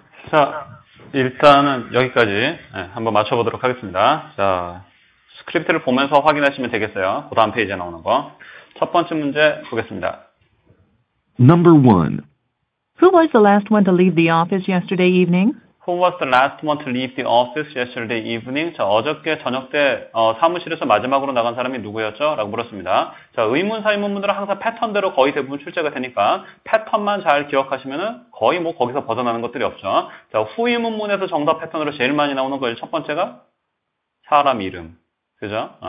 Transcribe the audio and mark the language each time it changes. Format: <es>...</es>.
<ko>자, 일단은 여기까지 한번 맞춰보도록 하겠습니다. 자, 스크립트를 보면서 확인하시면 되겠어요. 그 다음 페이지에 나오는 거. 첫 번째 문제 보겠습니다.</ko> <en>Number 1. Who was the last one to leave the office yesterday evening? Who was the last one to leave the office yesterday evening?</en> <ko>자, 어저께 저녁 때 사무실에서 마지막으로 나간 사람이 누구였죠? 라고 물었습니다. 자, 의문사, 의문문들은 항상 패턴대로 거의 대부분 출제가 되니까 패턴만 잘 기억하시면 거의 뭐 거기서 벗어나는 것들이 없죠. 자, 후의문문에서 정답 패턴으로 제일 많이 나오는 거예요. 첫 번째가 사람 이름. 그죠?</ko>